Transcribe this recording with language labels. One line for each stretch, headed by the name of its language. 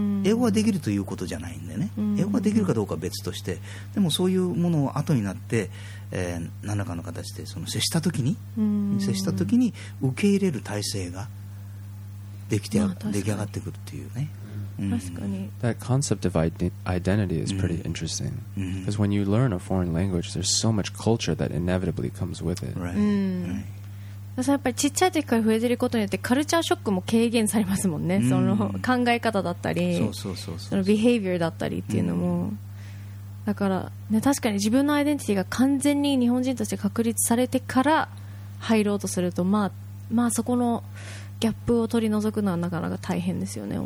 Japanese: 英語ができるということじゃないんでね、英語ができるかどうかは別として、でもそういうものを後になって、何らかの形でその接した時に、接した時に受け入れる体制ができて、まあ、出来上がってくるっていうね。確かに、
English: That concept of identity is pretty interesting. Because when you learn a foreign language, there's so much culture that inevitably comes with it. Right.
Japanese: やっぱりちっちゃい時から増えてることによって、カルチャーショックも軽減されますもんね。その考え方だったり、そのビヘイビアだったりっていうのも、だから、ね、確かに自分のアイデンティティが完全に日本人として確立されてから入ろうとすると、まあそこのギャップを取り除くのはなかなか大変ですよね。